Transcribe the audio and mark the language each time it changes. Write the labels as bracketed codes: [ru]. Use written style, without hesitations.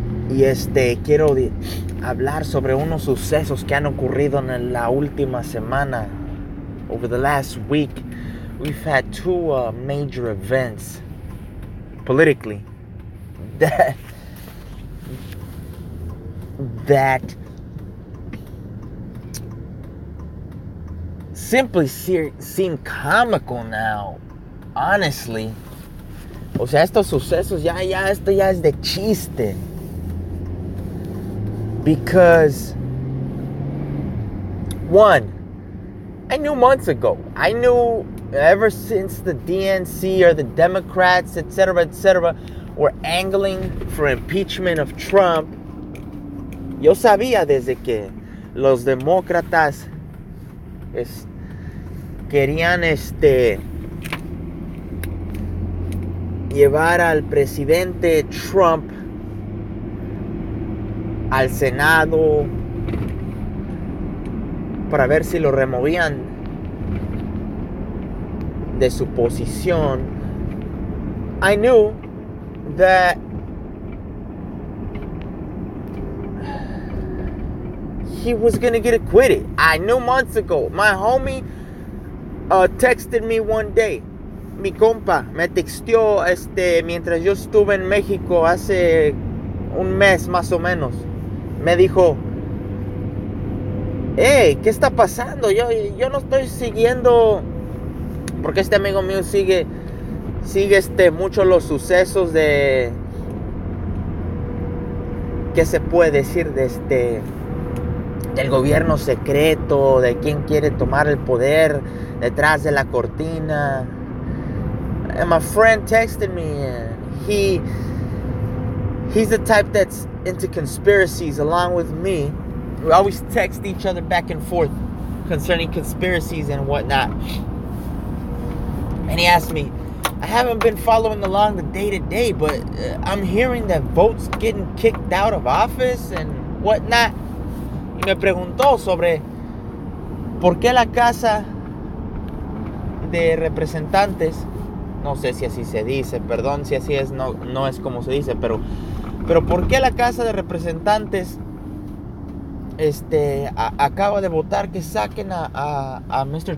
[es] Y quiero hablar sobre unos sucesos que han ocurrido en la última semana. [en] Over the last week, we've had two major events, politically, that simply seem comical now, honestly. [es] O sea, estos sucesos, ya, esto ya es de chiste. [en] Because, one, I knew months ago. I knew ever since the DNC or the Democrats, etc., were angling for impeachment of Trump. [es] Yo sabía desde que los demócratas querían llevar al presidente Trump al Senado para ver si lo removían de su posición. [en] I knew that he was gonna get acquitted. I knew months ago. My homie texted me one day. [es] Mi compa me texteó mientras yo estuve en México hace un mes más o menos. Me dijo, hey, ¿qué está pasando? Yo no estoy siguiendo, porque este amigo mío sigue mucho los sucesos de, ¿qué se puede decir? De del gobierno secreto, de quién quiere tomar el poder detrás de la cortina. [en] And my friend texted me, and he's the type that's into conspiracies along with me. We always text each other back and forth concerning conspiracies and whatnot. And he asked me, I haven't been following along the day-to-day, but I'm hearing that votes getting kicked out of office and whatnot. [es] Y me preguntó sobre por qué la Casa de Representantes, no sé si así se dice, perdón si así es, no es como se dice, pero por qué la Casa de Representantes acaba de votar que saquen a Mr.